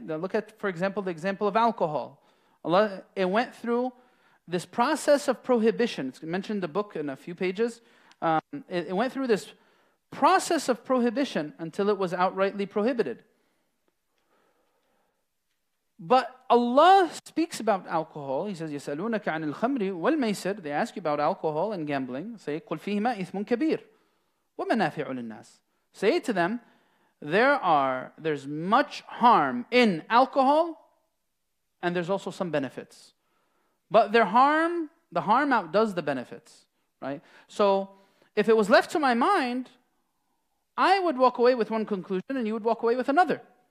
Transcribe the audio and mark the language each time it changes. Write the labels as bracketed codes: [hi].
[en] Now look at, for example, the example of alcohol. Allah, it went through this process of prohibition. It's mentioned in the book in a few pages. It went through this process of prohibition until it was outrightly prohibited. But Allah speaks about alcohol. He says, [ar] يَسَأَلُونَكَ عَنِ الْخَمْرِ وَالْمَيْسِرِ. [en] They ask you about alcohol and gambling. Say, [ar] قُلْ فِيهِمَا إِثْمٌ كَبِيرٌ وَمَنَافِعُ لِلنَّاسِ. [en] Say to them, there's much harm in alcohol and there's also some benefits. But the harm outdoes the benefits, right? So if it was left to my mind, I would walk away with one conclusion and you would walk away with another.